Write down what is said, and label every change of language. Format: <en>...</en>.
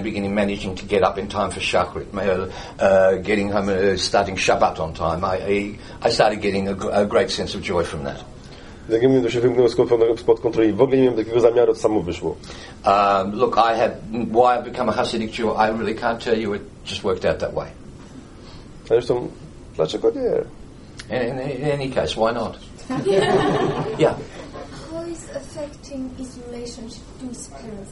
<en>Managing to get up in time for Shacharit, getting home, starting Shabbat on time. I started getting a great sense of joy from that.</en> <pl>Jak mówię, to się wymknęło spod kontroli. W ogóle nie miałem takiego zamiaru, to samo wyszło.</pl> <en>Look, I have, why I've become a Hasidic Jew, I really can't tell you, it just worked out that way.</en> <pl>A zresztą, dlaczego nie?</pl> <en>In any case, why not? Yeah. How is affecting his relationship to his parents?</en>